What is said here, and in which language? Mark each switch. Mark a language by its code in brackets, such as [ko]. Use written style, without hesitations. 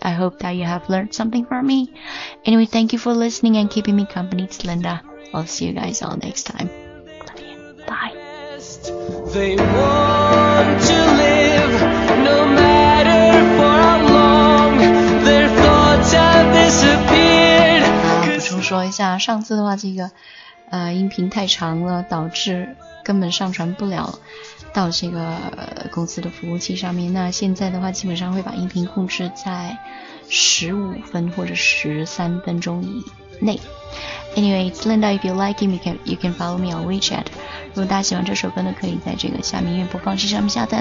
[en] I hope that you have learned something from me. Anyway, thank you for listening and keeping me company. It's Linda. I'll see you guys all next time. Bye. They want to live no matter for how long their thoughts have disappeared. [zh] 补充说一下，上次的话这个音频太长了，导致根本上传不了到这个公司的服务器上面。那现在的话基本上会把音频控制在15分或者13分钟以内。 [en] Anyway, it's Linda. If you like him, you can follow me on WeChat. [zh] 如果大家喜欢这首歌呢，可以在这个下面音乐播放器上面下载。